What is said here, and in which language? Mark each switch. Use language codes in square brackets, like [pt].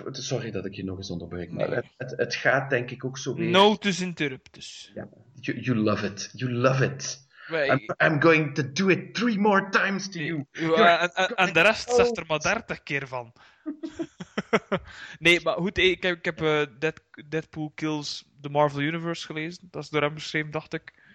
[nl] Sorry dat ik je nog eens onderbreek. Nee. Maar het gaat denk ik ook zo weer. [la] Notus interruptus. [en] Ja. You love it. You love it. I'm going to do it 3 more times to you. [nl] En de rest zegt er maar 30 keer van. Nee, maar goed, ik heb Deadpool Kills the Marvel Universe gelezen. Dat is door hem geschreven, dacht ik.